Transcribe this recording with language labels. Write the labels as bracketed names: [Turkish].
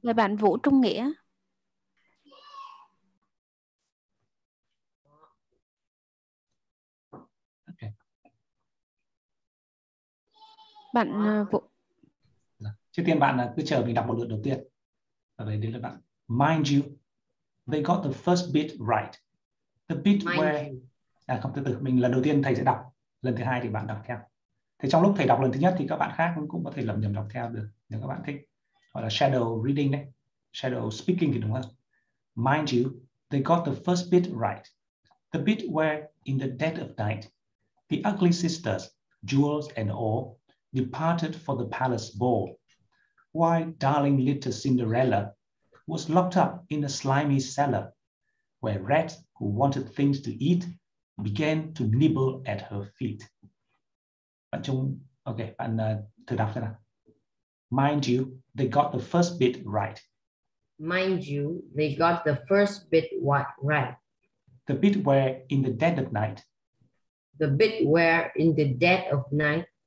[Vietnamese] Là bạn Vũ Trung Nghĩa. [English] Okay. [Vietnamese] Bạn Vũ. Trước tiên bạn cứ chờ mình đọc một lượt đầu tiên. Đấy, đấy là bạn. [English] Mind you, they got the first bit right. The bit mind where... [Vietnamese] À, không, từ từ, mình lần đầu tiên thầy sẽ đọc. Lần thứ hai thì bạn đọc theo. Thì trong lúc thầy đọc lần thứ nhất thì các bạn khác cũng có thể lẩm nhẩm đọc theo được. Nếu các bạn thích. Gọi là shadow reading đấy. Shadow speaking thì đúng không? [English] Mind you, they got the first bit right. The bit where, in the dead of night, the ugly sisters, jewels and all, departed for the palace ball. Why, darling little Cinderella was locked up in a slimy cellar where rats who wanted things to eat began to nibble at her feet. [Vietnamese] Bạn chung, ok, bạn thử đọc thế nào. [English] Mind you, they got the first bit right. Mind you, they got the first bit what right? The bit where in the dead of night. The bit where in the dead of night.